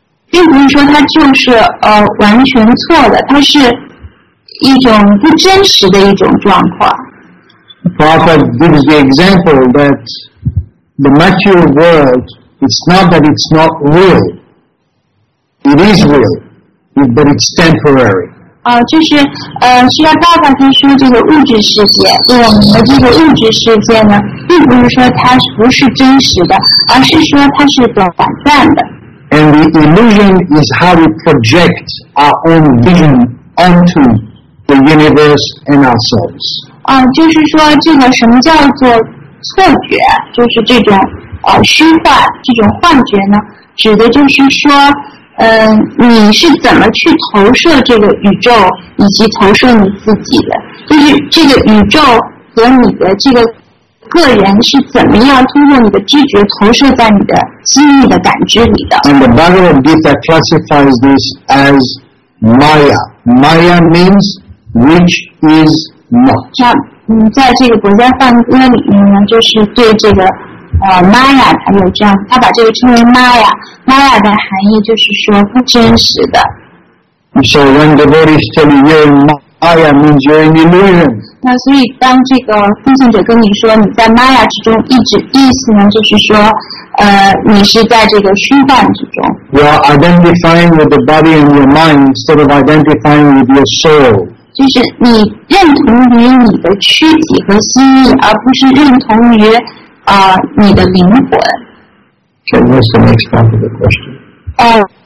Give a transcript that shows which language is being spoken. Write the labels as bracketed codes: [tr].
[zh] 并不是说它就是完全错的，它是一种不真实的一种状况。 [en] The Prabhupada gives the example that the material world, it's not that it's not real. It is real, but it's temporary. [zh] 就是需要爸爸就说这个物质世界，我们的这个物质世界呢，并不是说它不是真实的，而是说它是短暂的。 [en] And the illusion is how we project our own vision onto the universe and ourselves. [zh] 就是说这个什么叫做错觉，就是这种虚幻，这种幻觉呢，指的就是说。你是怎么去投射这个宇宙以及投射你自己的，就是这个宇宙和你的这个个人是怎么样通过你的知觉投射在你的心意的感知里的。 [en] And the Bhagavad Gita classifies this as Maya. Maya means which is not. [zh] 在这个《博伽梵歌》里面呢，就是对这个Maya， 他有这样，他把这个称为 Maya。 Maya 的含义就是说不真实的。 [en] So when the devotees tell you you're in Maya means you're in illusion。 [zh] 那所以当这个奉行者跟你说你在 Maya 之中，意思呢就是说，你是在这个虚幻之中。 [en] You are identifying with the body and your mind instead of identifying with your soul。 [zh] 就是你认同于你的躯体和心意，而不是认同于。你的灵魂。 [en] So what's the next part of the question?